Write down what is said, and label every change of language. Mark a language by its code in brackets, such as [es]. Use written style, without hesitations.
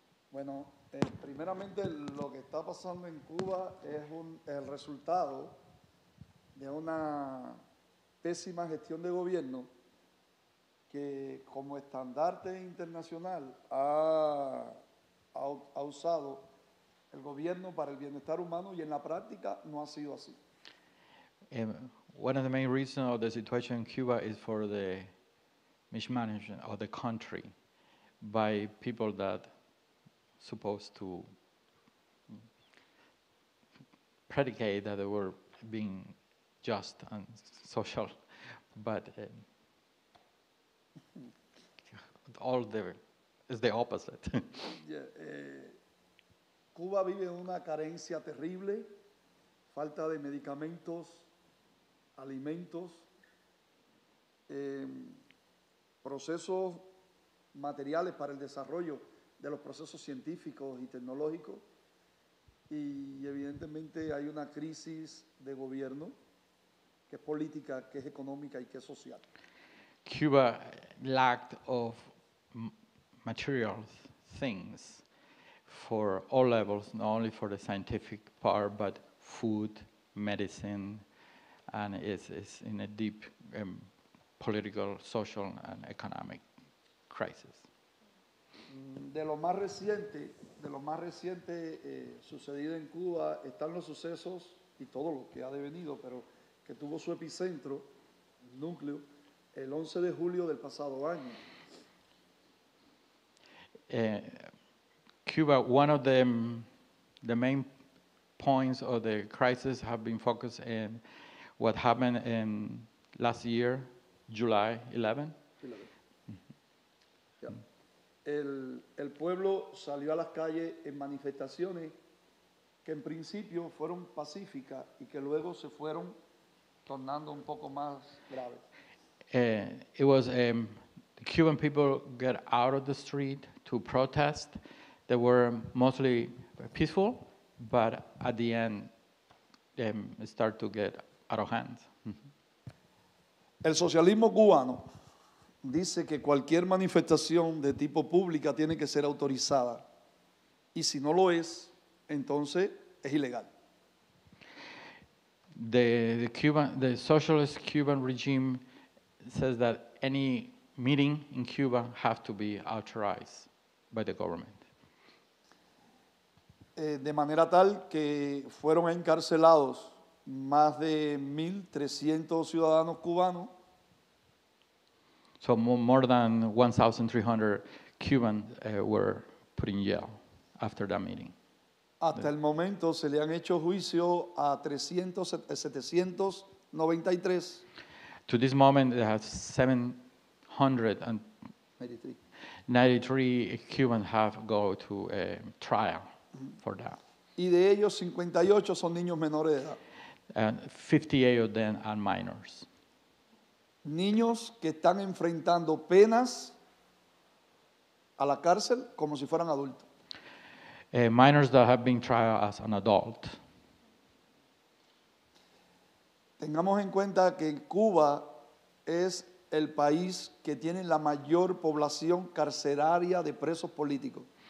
[es] Bueno, primeramente lo que está pasando en Cuba es el resultado de una pésima gestión de gobierno que como estandarte internacional ha usado el gobierno para el bienestar humano y en la práctica no ha sido así. [en] One of the main reasons of the situation in Cuba is for the mismanagement of the country by people that supposed to predicate that they were being just and social. But it's the opposite. [es] Yeah, Cuba vive una carencia terrible, falta de medicamentos, alimentos, procesos materiales para el desarrollo de los procesos científicos y tecnológicos, y evidentemente hay una crisis de gobierno. Que es política, que es económica y que es social. [en] Cuba lacked of material things for all levels, not only for the scientific part, but food, medicine, and it's in a deep political, social, and economic crisis. [es] De lo más reciente sucedido en Cuba están los sucesos y todo lo que ha devenido, pero que tuvo su epicentro, núcleo, el 11 de julio del pasado año. [en] Cuba, one of the main points of the crisis have been focused in what happened in last year, July 11. Yeah. [es] El pueblo salió a las calles en manifestaciones que en principio fueron pacíficas y que luego se fueron tornando un poco más grave. [en] It was the Cuban people get out of the street to protest. They were mostly peaceful, but at the end, it started to get out of hands. [es] El socialismo cubano dice que cualquier manifestación de tipo pública tiene que ser autorizada. Y si no lo es, entonces es ilegal. [en] The socialist Cuban regime says that any meeting in Cuba have to be authorized by the government. [es] De manera tal que fueron encarcelados más de 1,300 ciudadanos cubanos. [en] So more than 1,300 Cubans were put in jail after that meeting. [es] Hasta el momento se le han hecho juicio a 793. [en] To this moment, there have 793 Cubans have gone to a trial for that. [es] Y de ellos 58 son niños menores de edad. [en] And 58 of them are minors. [es] Niños que están enfrentando penas a la cárcel como si fueran adultos. [en] Minors that have been tried as an adult. [es] Tengamos en cuenta que Cuba es el país que tiene la mayor población carceraria de presos políticos.